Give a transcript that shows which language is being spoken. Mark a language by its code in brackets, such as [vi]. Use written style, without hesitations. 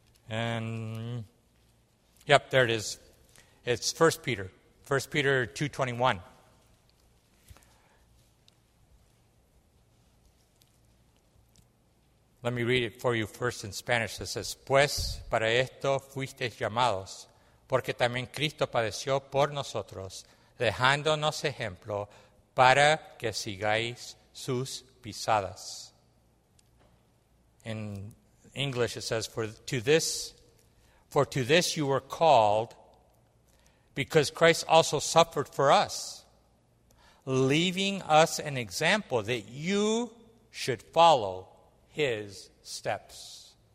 [en] And, yep, there it is. It's 1 Peter, 1 Peter 2:21. Let me read it for you first in Spanish. It says, [es] pues para esto fuisteis llamados, porque también Cristo padeció por nosotros, dejándonos ejemplo para que sigáis sus pisadas. [en] In English it says, for to this you were called, because Christ also suffered for us, leaving us an example that you should follow His steps.